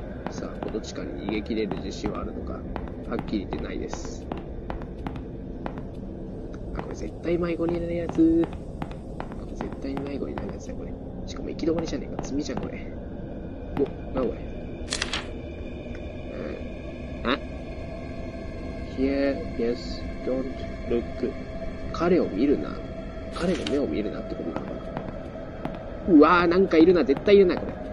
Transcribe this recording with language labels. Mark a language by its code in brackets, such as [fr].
[ja] さあこの地下に逃げ切れる自信はあるのか、はっきり言ってないです。あ、これ絶対迷子になるやつ、絶対迷子になるやつだこれ。しかも行き止まりじゃねえか、積みじゃんこれ。お、なんこれ、あ、 [en] Here, yes, don't look. [ja] 彼を見るな、彼の目を見るなってことなのかな。うわー、なんかいるな、絶対いるなこれ。